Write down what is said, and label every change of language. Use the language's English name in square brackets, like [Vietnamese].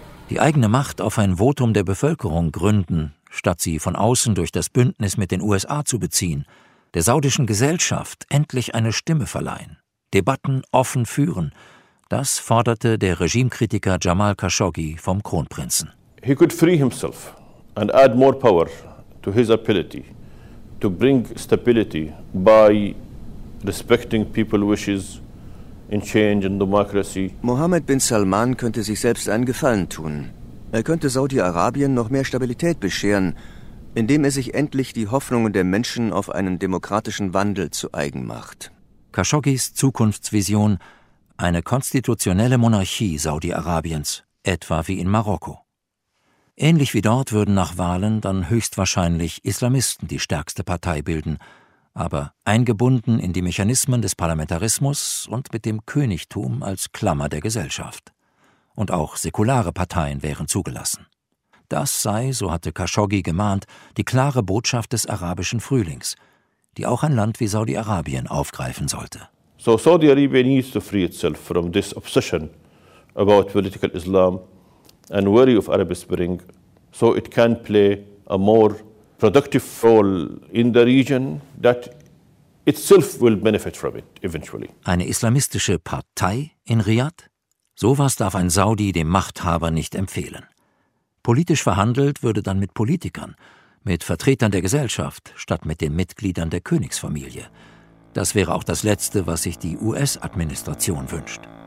[German] Die eigene Macht auf ein Votum der Bevölkerung gründen, statt sie von außen durch das Bündnis mit den USA zu beziehen, der saudischen Gesellschaft endlich eine Stimme verleihen, Debatten offen führen, das forderte der Regimekritiker Jamal Khashoggi vom Kronprinzen. [English] He could free himself and add more power to his ability to bring stability by respecting people's wishes in change and democracy. [German] Mohammed bin Salman könnte sich selbst einen Gefallen tun. Er könnte Saudi-Arabien noch mehr Stabilität bescheren, indem er sich endlich die Hoffnungen der Menschen auf einen demokratischen Wandel zu eigen macht. Khashoggis Zukunftsvision: eine konstitutionelle Monarchie Saudi-Arabiens, etwa wie in Marokko. Ähnlich wie dort würden nach Wahlen dann höchstwahrscheinlich Islamisten die stärkste Partei bilden, aber eingebunden in die Mechanismen des Parlamentarismus und mit dem Königtum als Klammer der Gesellschaft. Und auch säkulare Parteien wären zugelassen. Das sei, so hatte Khashoggi gemahnt, die klare Botschaft des arabischen Frühlings, die auch ein Land wie Saudi-Arabien aufgreifen sollte. [English] So Saudi-Arabia needs to free itself from this obsession about political Islam and worry of Arab Spring, so it can play a more productive role in the region that itself will benefit from it eventually. [German] Eine islamistische Partei in Riad? Sowas darf ein Saudi dem Machthaber nicht empfehlen. Politisch verhandelt würde dann mit Politikern, mit Vertretern der Gesellschaft, statt mit den Mitgliedern der Königsfamilie. Das wäre auch das Letzte, was sich die US-Administration wünscht.